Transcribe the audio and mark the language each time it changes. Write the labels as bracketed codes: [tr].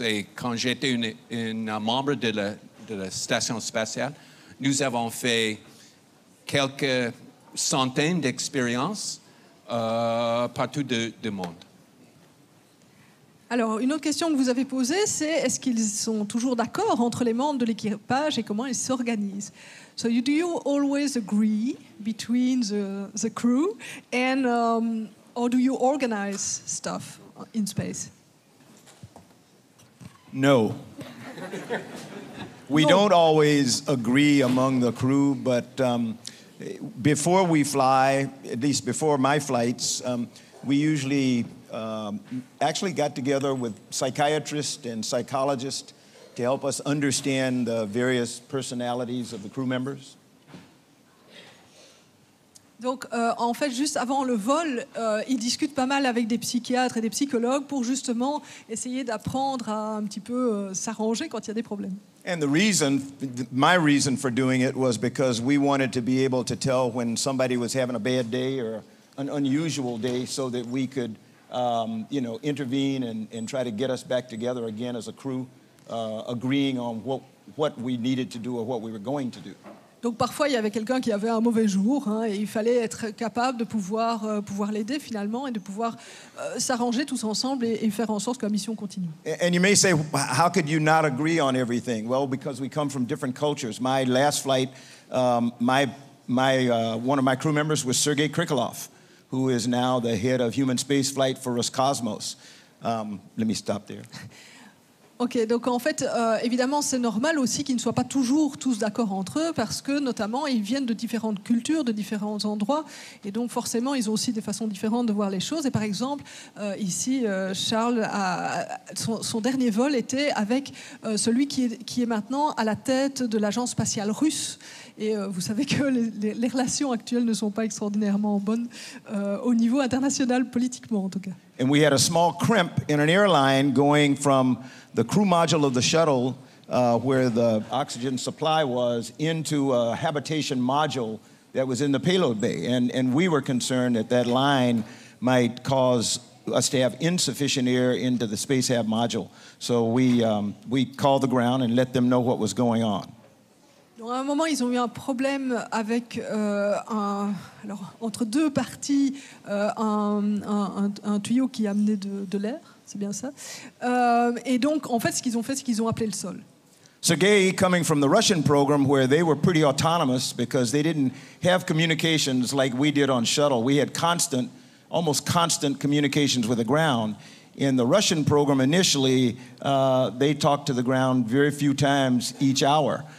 [fr] Et quand j'étais un membre de la station spatiale, nous avons fait quelques centaines d'expériences partout du monde. Alors, une autre question que vous avez posée, c'est est-ce qu'ils sont toujours d'accord entre les membres de l'équipage et comment ils s'organisent? [en] So, do you always agree between the crew and or do you organize stuff in space? No. We don't always agree among the crew, but before we fly, at least before my flights, we usually actually got together with psychiatrists and psychologists to help us understand the various personalities of the crew members. [fr] Donc, en fait, juste avant le vol, ils discutent pas mal avec des psychiatres et des psychologues pour justement essayer d'apprendre à un petit peu s'arranger quand il y a des problèmes. [en] And the reason, my reason for doing it was because we wanted to be able to tell when somebody was having a bad day or an unusual day so that we could, you know, intervene and try to get us back together again as a crew, agreeing on what we needed to do or what we were going to do. [fr] Donc parfois, il y avait quelqu'un qui avait un mauvais jour, hein, et il fallait être capable de pouvoir, pouvoir l'aider finalement et de pouvoir s'arranger tous ensemble et faire en sorte que la mission continue. [en] And you may say, how could you not agree on everything? Well, because we come from different cultures. My last flight, one of my crew members was Sergei Krikalev, who is now the head of human space flight for Roscosmos. Let me stop there. [fr] Ok, donc en fait, évidemment, c'est normal aussi qu'ils ne soient pas toujours tous d'accord entre eux, parce que notamment, ils viennent de différentes cultures, de différents endroits, et donc forcément, ils ont aussi des façons différentes de voir les choses. Et par exemple, ici, Charles, son dernier vol était avec celui qui est maintenant à la tête de l'agence spatiale russe. Et vous savez que les relations actuelles ne sont pas extraordinairement bonnes au niveau international, politiquement en tout cas. [en] And we had a small crimp in an airline going from the crew module of the shuttle where the oxygen supply was into a habitation module that was in the payload bay. And we were concerned that that line might cause us to have insufficient air into the space hab module. So we called the ground and let them know what was going on. [fr] Donc à un moment, ils ont eu un problème avec entre deux parties, un tuyau qui amenait de l'air, c'est bien ça. Et donc, en fait, ce qu'ils ont fait, c'est qu'ils ont appelé le sol. [en] Sergei, coming from the Russian program, where they were pretty autonomous because they didn't have communications like we did on shuttle. We had constant, almost constant communications with the ground. In the Russian program, initially, they talked to the ground very few times each hour.